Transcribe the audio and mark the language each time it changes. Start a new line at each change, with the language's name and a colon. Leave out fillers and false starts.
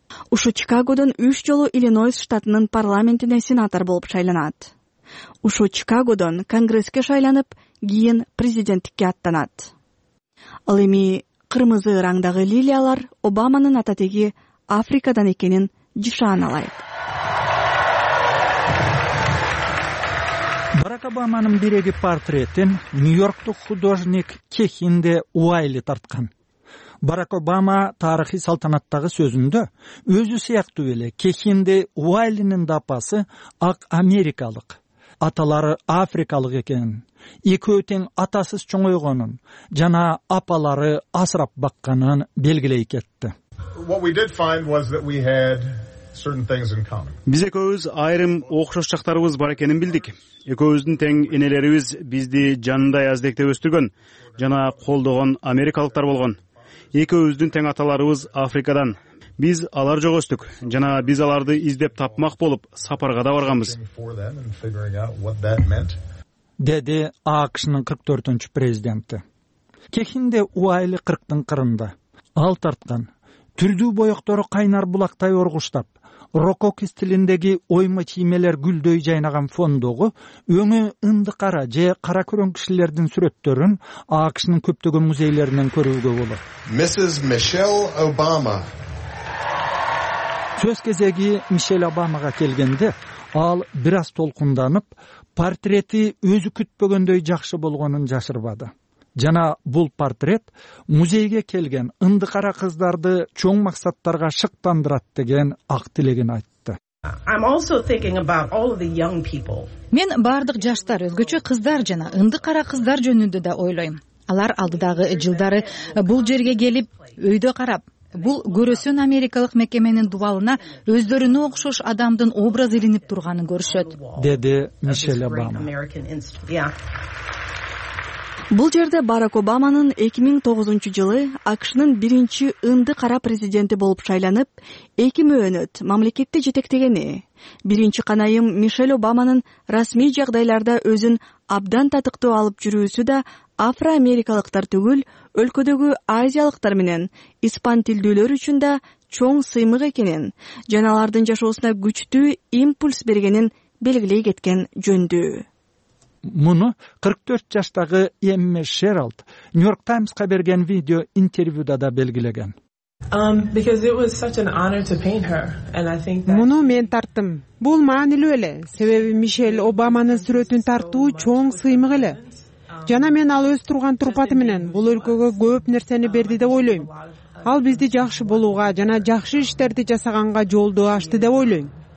Kyrgyz: Ушу Чикагодон 3 жолу Иллинойс штатынын парламентине сенатор болуп шайланат. Ушу Чикагодон конгресске шайланып, кийин президенттикке аттанат. Ал эми кырмызы ырандагы лилиялар Обаманын ата-теги Африкадан экенин жышааналайт. Барак Обаманын биреги портретин Нью-Йорктук художник Кехинде Уайли тарткан. Барак Обама тарыхый салтанаттагы сөзүндө өзү сыяктуу эле Кехинде Уайлинин да апасы ак америкалык, аталары африкалык экенин, экөө тең атасыз чоңойгонун жана апалары асырап бакканын белгилей кетти.
English: What we did find was that we had certain things in common.
Kyrgyz: Биз экөөбүз айрым окшош жактарыбыз бар экенин билдик. Экөөбүздүн тең энелерибиз бизди жанындай аздектеп өстүргөн жана колдогон америкалыктар болгон. Экөөбүздүн тең аталарыбыз Африкадан. Биз алар жок өстүк жана биз аларды издеп тапмак болуп сапарга да барганбыз. Деди АКШнын 44-чү президенти. Кехинде Уайли 40-тын кырында. Ал тарткан түрдүү боектору кайнар булактай оргуштап, рококо стилиндеги оймо кийимелер гүлдөй жайнаган фондогу өңү ындыкара же кара көрөн кишилердин сүрөттөрүн АКШнын көптөгөн музейлеринен көрүүгө болот.
English: Mrs. Michelle Obama.
Kyrgyz: Сөз кезеги Мишель Обамага келгенде, ал бир аз толкунданып, портрети өзү күтпөгөндөй жакшы болгонун жашырбады. Жана бул портрет музейге келген ындыкара кыздарды чоң максаттарга шыктандырат деген ак тилегин айтты.
English: I'm also thinking about all of the young people.
Kyrgyz: Мен бардык жаштар, өзгөчө кыздар жана ындыкара кыздар жөнүндө да ойлойм. Алар алдыдагы жылдары бул жерге келип, өйдө карап, бул көрөсүн америкалык мекеменин дубалына өздөрүнө окшош адамдын образ илинип турганын көрүшөт, деди Мишель Обама. Бул жерде Барак Обаманын 2009 жылы АКШнын биринчи ынды кара президенти болуп шайланып, эки мөөнөт мамлекетти жетектегени, биринчи канайым Мишель Обаманын расмий жагдайларда өзүн абдан татыктуу алып жүрүүсү да афроамерикалыктар түгүл, өлкөдөгү азиялыктар менен испан тилдүүлөр үчүн да чоң сыймык экенин жана алардын жашоосуна күчтүү импульс бергенин белгилей кеткен жөндүү. Муну 44 жаштагы Эмми Шералд New York Times'ка берген видео интервьюда да белгилеген.
English: Because it was such an honor to paint her and I think that
Kyrgyz: Муну мен тарттым. Бул маанилүү эле, себеби Мишель Обаманын сүрөтүн тартуу чоң сыймык эле. Жана мен ал өз турган турпаты менен бул өлкөгө көп нерсени берди деп ойлойм. Ал бизди жакшы болууга жана жакшы иштерди жасаганга жолду ашты деп ойлойм.